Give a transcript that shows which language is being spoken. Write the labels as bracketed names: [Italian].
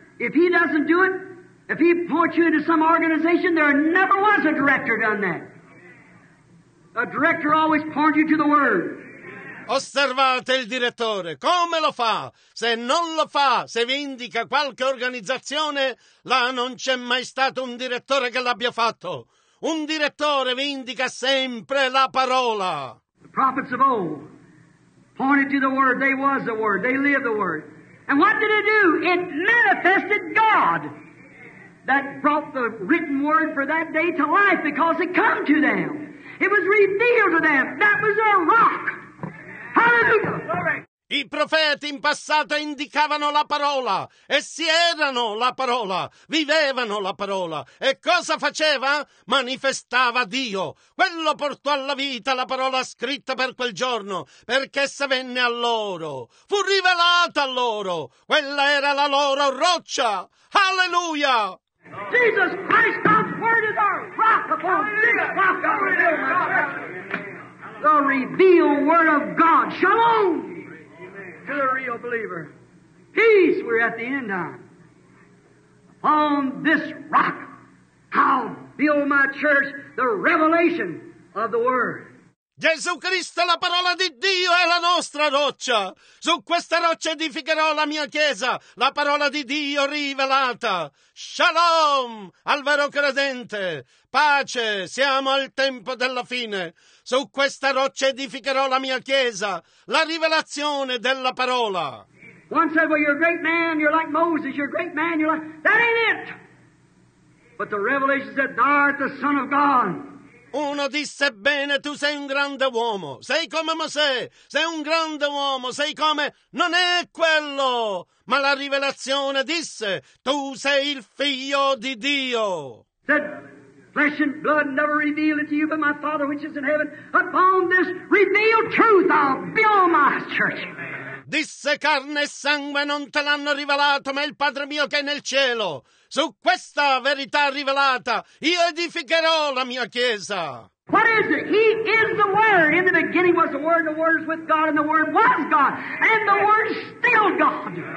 [English] If he doesn't do it, if he points you into some organization, there never was a director done that. A director always points you to the word. [Italian] Osservate il direttore. Come lo fa? Se non lo fa, se vi indica qualche organizzazione, là non c'è mai stato un direttore che l'abbia fatto. Un direttore vi indica sempre la parola. [English] The prophets of old pointed to the word. They was the word. They lived the word. And what did it do? It manifested God. That brought the written word for that day to life because it come to them. It was revealed to them. That was their rock. Hallelujah. Glory. [Italian] I profeti in passato indicavano la parola, essi erano la parola, vivevano la parola. E cosa faceva? Manifestava Dio. Quello portò alla vita la parola scritta per quel giorno, perché essa venne a loro, fu rivelata a loro, quella era la loro roccia. Alleluia! [English] Jesus Christ, God's word is our rock upon this rock of the hill. The revealed word of God. Shalom! To the real believer. Peace, we're at the end time. Upon this rock, I'll build my church, the revelation of the word. [Italian] Gesù Cristo, la parola di Dio, è la nostra roccia. Su questa roccia edificherò la mia chiesa, la parola di Dio rivelata. Shalom al vero credente. Pace, siamo al tempo della fine. Su questa roccia edificherò la mia chiesa, la rivelazione della parola. [English] One said, well, you're a great man, you're like Moses, you're a great man, you're like... That ain't it! But the revelation said, thou art the Son of God. [Italian] Uno disse, bene, tu sei un grande uomo, sei come Mosè, sei un grande uomo, sei come... Non è quello, ma la rivelazione disse, tu sei il figlio di Dio. [English] Said, flesh and blood never revealed it to you, but my Father which is in heaven, upon this revealed truth I'll build my church. [Italian] Disse, carne e sangue non te l'hanno rivelato, ma il Padre mio che è nel cielo. Su questa verità rivelata, io edificherò la mia chiesa. [English] What is it? He is the Word. In the beginning was the Word is with God, and the Word was God, and the Word is still God.